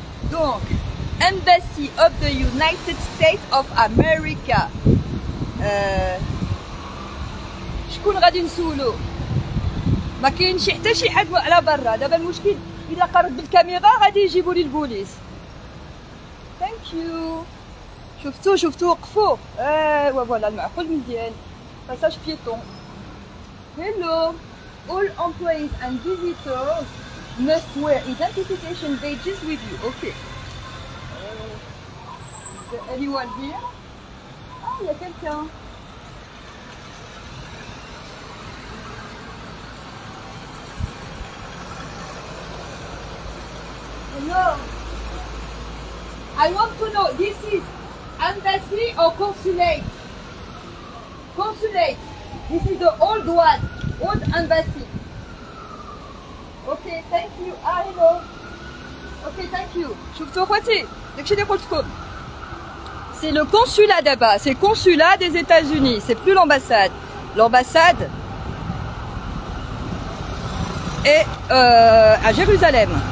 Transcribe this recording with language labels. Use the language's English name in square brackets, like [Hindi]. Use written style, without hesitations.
[English] Donc, Embassy of the United States of America. [Arabic] شكون غادي نسولو؟ ما كاينش حتى شي حد على برا. دابا المشكل الا قرب بالكاميرا غادي يجيبوا لي البوليس. ثانك يو. شفتو وقفوا. ايوا فوالا المعقول مزيان. باساج بيتون. هيلو. [English] All employees and visitors must wear identification badges with you. Okay. Anyone here? Ah, il y a quelqu'un. Hello. I want to know, this is embassy or consulate? Consulate. This is the old one. Old embassy. Okay, thank you. Ah, hello. Okay, thank you. [Arabic] شفتو اخواتي داكشي اللي قلتكم. [French] C'est le consulat d'abord, c'est le consulat des États-Unis, c'est plus l'ambassade. L'ambassade est à Jérusalem.